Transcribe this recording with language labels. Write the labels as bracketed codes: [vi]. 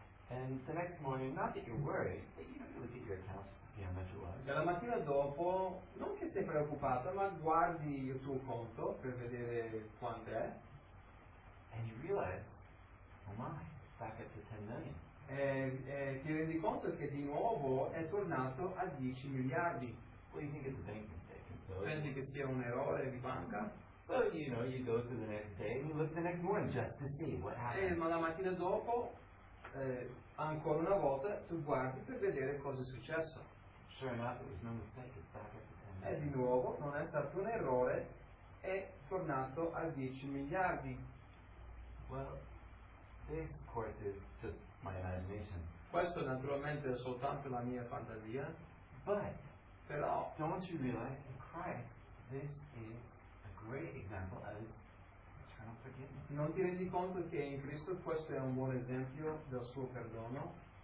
[en] And the next morning, not that you're worried, but you don't look at your account to see how much it was. [it] E la mattina dopo, non che sei preoccupato, ma guardi il tuo conto per vedere quanto è. [en] And you realize, oh my, back up to 10 million. [it] Ti rendi conto che di nuovo è tornato a 10 miliardi. [en] Well, you think it's a bank mistake. [it] Pensi che sia un errore di banca? [en] So, you know, you go to the next day and look the next morning just to see what happened. [it] Ma la mattina dopo, ancora una volta, tu guardi per vedere cosa è successo. [en] Sure enough, it was no mistake. It's back up to 10 million. [it] E di nuovo, non è stato un errore, è tornato a 10 miliardi. [en] Well, this of course is just my imagination. [it] Questo naturalmente è soltanto la mia fantasia. [en] But, [it] però, [en] don't you realize in Christ this is a great example of eternal forgiveness? [it] Non ti rendi conto che in Cristo questo è un buon esempio del suo perdono?